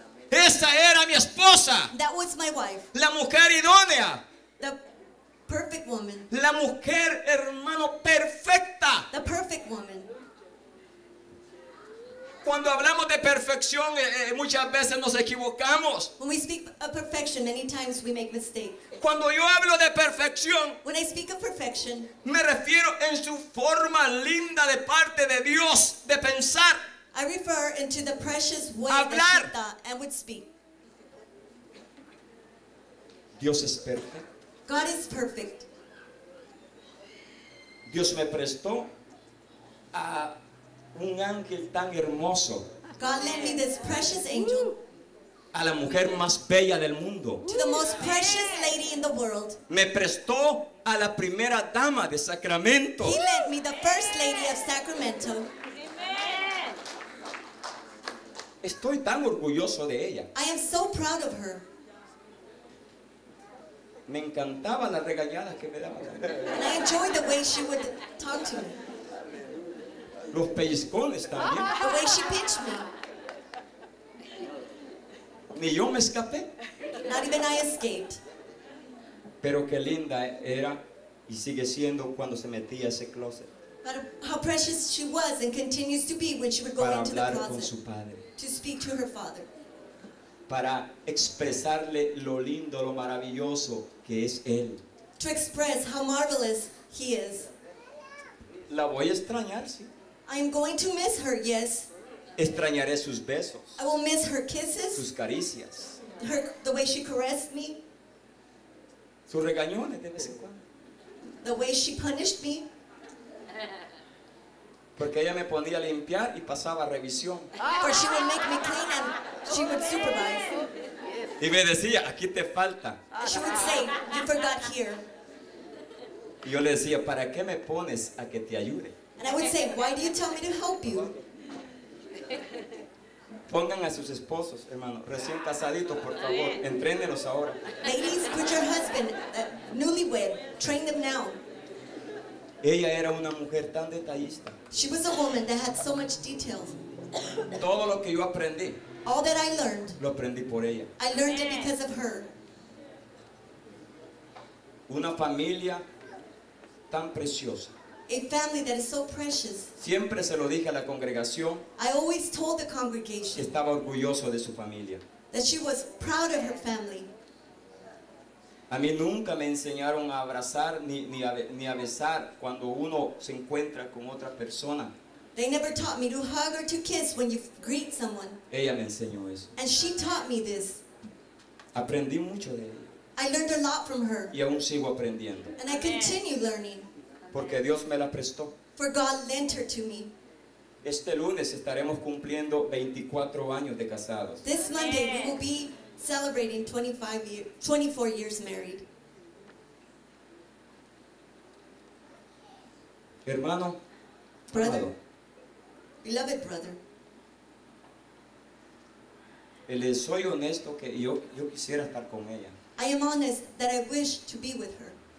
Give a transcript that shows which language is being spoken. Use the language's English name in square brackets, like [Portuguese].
[Spanish] Esa era mi esposa. [English] That was my wife. [Spanish] La mujer idónea. [English] The perfect woman. [Spanish] La mujer, hermano, perfecta. [English] The perfect woman. [Spanish] Cuando hablamos de perfección, muchas veces nos equivocamos. [English] When we speak of perfection, many times we make mistakes. [Spanish] Cuando yo hablo de perfección, [English] when I speak of perfection, [Spanish] me refiero en su forma linda de parte de Dios de pensar. [English] I refer into the precious way [Spanish] hablar. [English] That she thought and would speak. [Spanish] Dios es perfecto. [English] God is perfect. [Spanish] Dios me prestó a un ángel tan hermoso. [English] God lent me this precious angel. [Spanish] A la mujer más bella del mundo. [English] To the most precious lady in the world. [Spanish] Me prestó a la primera dama de Sacramento. [English] He lent me the first lady of Sacramento. [Spanish] Estoy tan orgulloso de ella. [English] I am so proud of her. [Spanish] Me encantaba las regañadas que me daba. [English] And I enjoyed the way she would talk to me. [Spanish] Los pellizcones también. [English] The way she pinched me. [Spanish] Ni yo me escapé. [English] Not even I escaped. [Spanish] Pero qué linda era y sigue siendo cuando se metía ese closet. [English] But how precious she was and continues to be when she would go [Spanish] para [English] into the closet. [Spanish] Con su padre. [English] To speak to her father. [Spanish] Para expresarle lo lindo, lo maravilloso que es él. [English] To express how marvelous he is. [Spanish] La voy a extrañar, sí. [English] I am going to miss her, yes. [Spanish] Extrañaré sus besos. [English] I will miss her kisses. [Spanish] Sus caricias. [English] Her, the way she caressed me. [Spanish] Sus regañones de vez en cuando. [English] The way she punished me. [Spanish] Porque ella me ponía a limpiar y pasaba revisión. [English] For she would make me clean and she would supervise. [Spanish] Y me decía, aquí te falta. [English] She would say, you forgot here. [Spanish] Y yo le decía, ¿para qué me pones a que te ayude? [English] And I would say, why do you tell me to help you? [Spanish] Pongan a sus esposos, hermano, recién casaditos, por favor, entrénelos ahora. [English] Ladies, put your husband, newlywed, train them now. [Spanish] Ella era una mujer tan detallista. [English] She was a woman that had so much detail. [Spanish] Todo lo que yo aprendí. [English] All that I learned. [Spanish] Lo aprendí por ella. [English] I learned it because of her. [Spanish] Una familia tan preciosa. [English] A family that is so precious. [Spanish] Siempre se lo dije a la congregación. [English] I always told the congregation. [Spanish] Que estaba orgulloso de su familia. [English] That she was proud of her family. [Spanish] A mí nunca me enseñaron a abrazar ni a besar cuando uno se encuentra con otra persona. [English] They never taught me to hug or to kiss when you greet someone. [Spanish] Ella me enseñó eso. [English] And she taught me this. [Spanish] Aprendí mucho de ella. [English] I learned a lot from her. [Spanish] Y aún sigo aprendiendo. [English] And I continue learning. [Spanish] Porque Dios me la prestó. [English] For God lent her to me. [Spanish] Este lunes estaremos cumpliendo 24 años de casados. [English] This Monday we will be celebrating 24 years married. [Spanish] Hermano. [English] Brother. Amado. Beloved brother. [Spanish] Le soy honesto que yo quisiera estar con ella. I am honest that I wish to be with her.